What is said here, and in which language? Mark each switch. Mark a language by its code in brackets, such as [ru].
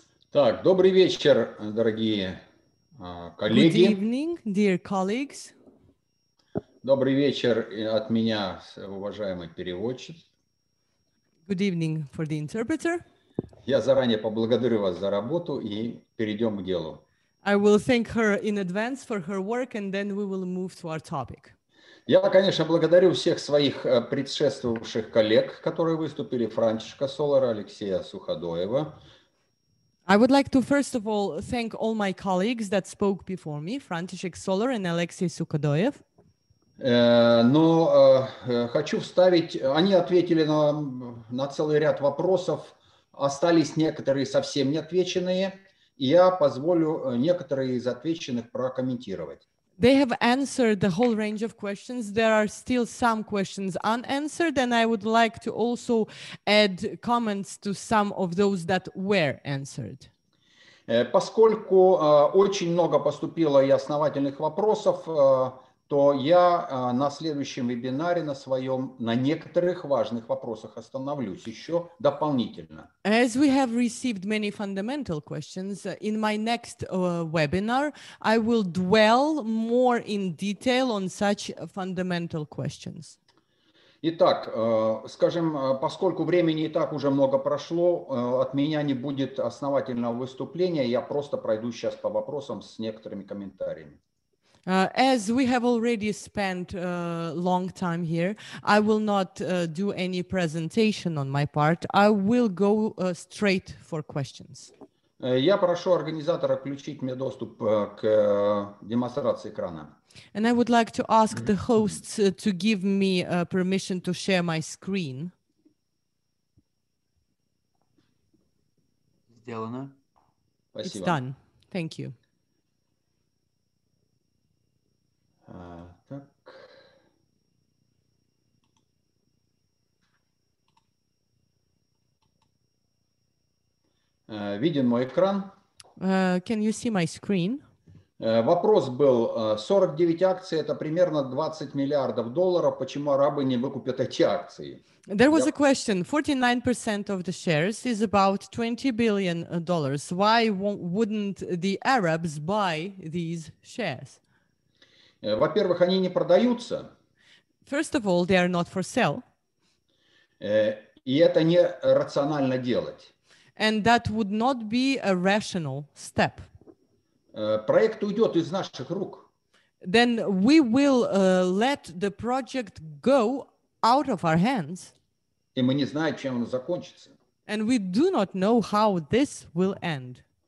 [ru] Так, добрый вечер, дорогие коллеги. [en] Good evening, dear colleagues. [ru] Добрый вечер от меня, уважаемый переводчик. [en] Good evening for the interpreter. [ru] Я заранее поблагодарю вас за работу и перейдем к делу. [en] I will thank her in advance for her work and then we will move to our topic. [ru] Я, конечно, благодарю всех своих предшествовавших коллег, которые выступили, Франческо Солара, Алексея Суходоева. [en] I would like to first of all thank all my colleagues that spoke before me, František Solar and Алексей Суходоев. [ru] Но хочу вставить, они ответили на целый ряд вопросов, остались некоторые совсем неотвеченные, и я позволю некоторые из отвеченных прокомментировать. [en] They have answered the whole range of questions. There are still some questions unanswered, and I would like to also add comments to some of those that were answered. [ru] Поскольку очень много поступило и основательных вопросов, то я на следующем вебинаре на своем на некоторых важных вопросах остановлюсь еще дополнительно. [en] As we have received many fundamental questions, in my next webinar I will dwell more in detail on such fundamental questions. [ru] Итак, скажем, поскольку времени и так уже много прошло, от меня не будет основательного выступления, я просто пройду сейчас по вопросам с некоторыми комментариями. [en] As we have already spent a long time here, I will not do any presentation on my part. I will go straight for questions. [ru] Я прошу организатора включить мне доступ к демонстрации экрана. [en] And I would like to ask the hosts to give me permission to share my screen. [ru] Сделано. Спасибо. [en] It's done. Thank you. [ru] Так. Виден мой экран? [en] Can you see my screen? [ru] Вопрос был, 49 акций, это примерно 20 миллиардов долларов, почему арабы не выкупят эти акции? [en] There was a question, 49% of the shares is about $20 billion. Why wouldn't the Arabs buy these shares? [ru] Во-первых, они не продаются. [en] First of all, they are not for sale. [ru] И это не рационально делать. [en] And that would not be a rational step. [ru] Проект уйдет из наших рук. [en] Then we will let the project go out of our hands. [ru] И мы не знаем, чем оно закончится. [en] And we do not know how this will end.